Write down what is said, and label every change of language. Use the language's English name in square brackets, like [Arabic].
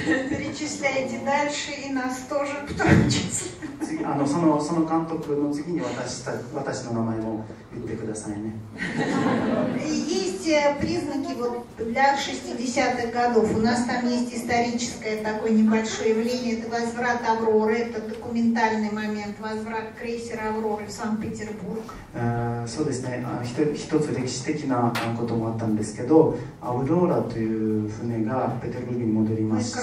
[Russian] Перечисляйте дальше и нас тоже, потому что. [Japanese] その監督の次に私の名前も言ってくださいね。 [Russian] Есть признаки вот для 60-х годов. У нас там есть историческое такое небольшое явление. Это возврат Авроры. Это документальный момент. Возврат крейсера Авроры в Санкт-Петербург. [Japanese] そうですね。一つ歴史的なこともあったんですけど、アウローラという船がペテルブルクに戻りました